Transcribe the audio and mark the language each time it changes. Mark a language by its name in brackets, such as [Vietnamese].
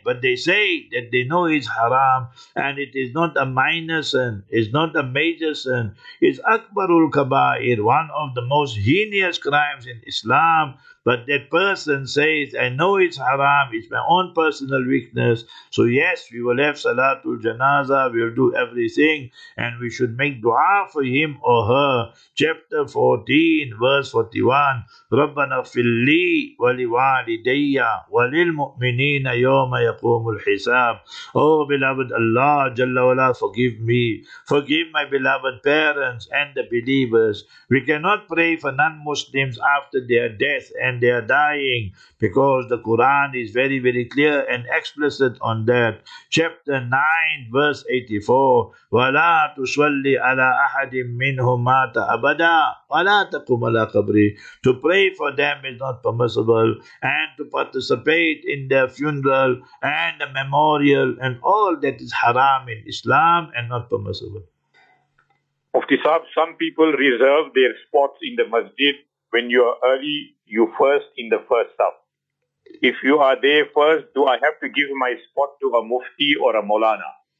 [English] But they say that they know it's haram, and it is not a minor sin, it's not a major sin, it's Akbarul Kabair, one of the most heinous crimes in Islam. But that person says, I know it's haram, it's my own personal weakness. So yes, we will have Salatul Janaza, we will do everything, and we should make dua for him or her. Chapter 14, verse 41, [Arabic] رَبَّنَا فِلِّي وَلِوَالِدَيَّ وَلِلْمُؤْمِنِينَ يَوْمَ يَقُومُ الْحِسَابِ. [English] Oh, beloved Allah, Jalla wala, forgive me. Forgive my beloved parents and the believers. We cannot pray for non-Muslims after their death and they are dying, because the Quran is very, very clear and explicit on that. Chapter 9, verse 84, [Arabic] وَلَا تُصَلِّ عَلَىٰ أَحَدٍ مِّنْهُمْ مَاتَ أَبَدًا وَلَا تَقُمْ عَلَىٰ قَبْرِهِ. [English] To pray for them is not permissible, and to participate in their funeral and the memorial and all that is haram in Islam and not permissible. Mufti Saab, some people reserve their spots in the masjid. When you are early, you first in the first sub. If you are there first, do I have to give my spot to a mufti or a molana?